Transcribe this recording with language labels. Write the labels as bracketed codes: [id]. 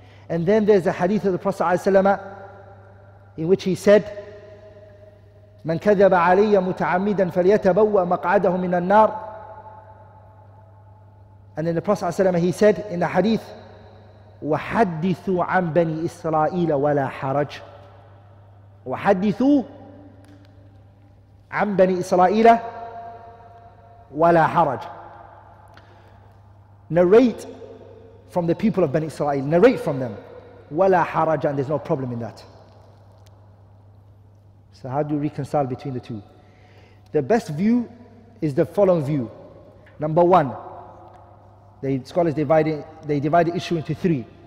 [en] And then there's a hadith of the Prophet ﷺ in which he said, [ar] من كذب علي متعمدا فليتبوأ مقعده من النار. [en] And then the Prophet ﷺ, he said in the hadith, [ar] وحدثوا عن بني إسرائيل ولا حرج. وحدثوا عن بني إسرائيل ولا حرج. [en] Narrate from the people of Bani Israel, narrate from them. [ar] Wala haraj, [en] and there's no problem in that. So how do you reconcile between the two? The best view is the following view. Number one, the scholars divide the issue into three.